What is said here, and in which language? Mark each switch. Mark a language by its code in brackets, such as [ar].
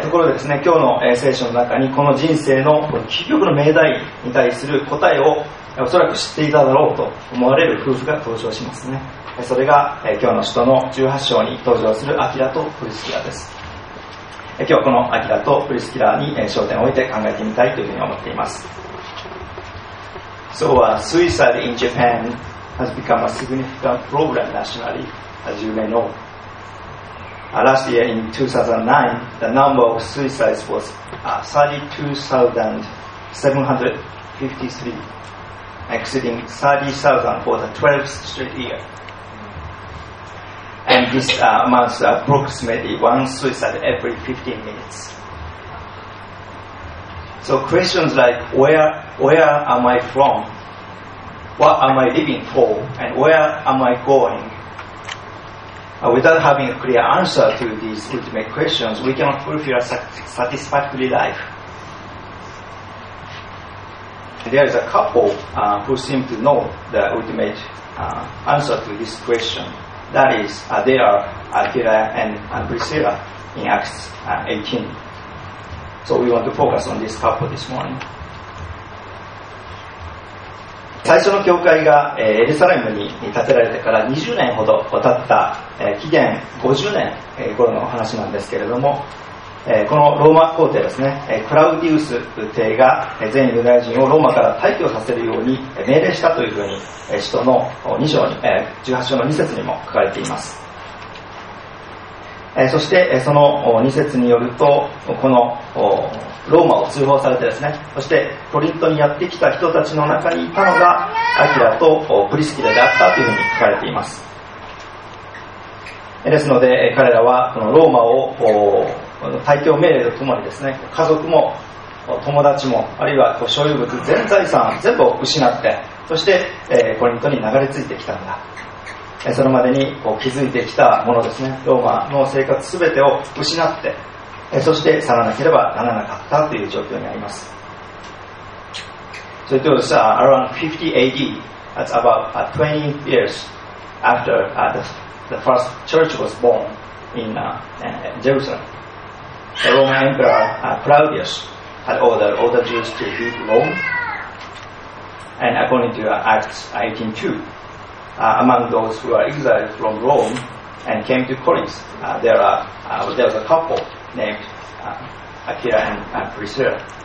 [ja] ところでですね、今日の聖書の中にこの人生の究極の命題に対する答えをおそらく知っていただろうと思われる夫婦が登場しますね。それが今日の使徒の18章に登場するアキラとプリスキラです。今日はこのアキラとプリスキラに焦点を置いて考えてみたいというふうに思っています。 [en] So suicide in Japan has become a significant problem nationally, as you may know. Last year in 2009, the number of suicides was 32,753, exceeding 30,000 for the 12th straight year. And this amounts to approximately one suicide every 15 minutes. So questions like, where am I from? What am I living for? And where am I going? Without having a clear answer to these ultimate questions, we cannot fulfill a satisfactory life. There is a couple who seem to know the ultimate answer to this question. That is, they are Aquila and Priscilla in Acts 18. So we want to focus on this couple this morning. [ja] 最初の教会がエルサレムに建てられてから20年ほど経った紀元50年頃の話なんですけれども、このローマ皇帝ですね、クラウディウス帝が全ユダヤ人をローマから退去させるように命令したというふうに使徒の18章の2節にも書かれています。そしてその2節によると、このローマを追放されてですね、そしてコリントにやってきた人たちの中にいたのがアキラとプリスキラであったというふうに書かれています。ですので彼らはこのローマを退去命令とともにですね、家族も友達もあるいは所有物全財産全部を失って、そしてコリントに流れ着いてきたんだ。それまでに気づいてきたものですね、ローマの生活すべてを失って、そして去らなければならなかったという状況にあります。 [en] So it was around 50 AD, that's about 20 years after the first church was born in Jerusalem. The Roman Emperor Claudius had ordered all the Jews to leave Rome, and according to Acts 18:2,among those who were exiled from Rome and came to Corinth, there was a couple named Aquila and Priscilla.